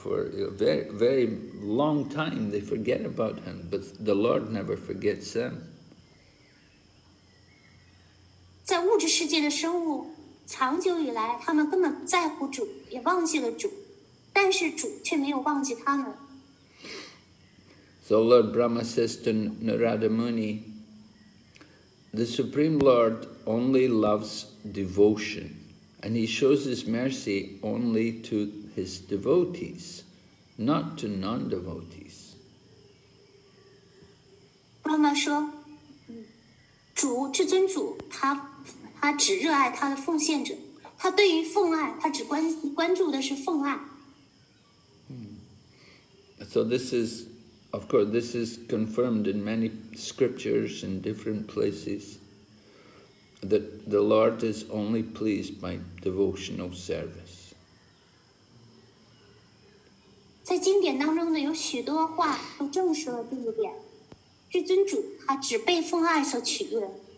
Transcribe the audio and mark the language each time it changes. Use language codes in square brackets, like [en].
[en] for a very, very long time they forget about him, but the Lord never forgets them. [zh] 在物质世界的生物，长久以来，他们根本不在乎主，也忘记了主，但是主却没有忘记他们。 [en] So Lord Brahma says to Narada Muni, the Supreme Lord only loves devotion, and he shows his mercy only to his devotees, not to non-devotees. Brahma says, [zh] 主，至尊主，他只热爱他的奉献者，他对于奉爱，他只关注的是奉爱。 [en] So this is, of course, this is confirmed in many scriptures in different places, that the Lord is only pleased by devotional service. [zh] 在经典当中呢，有许多话都证实了这一点，至尊主他只被奉爱所取悦。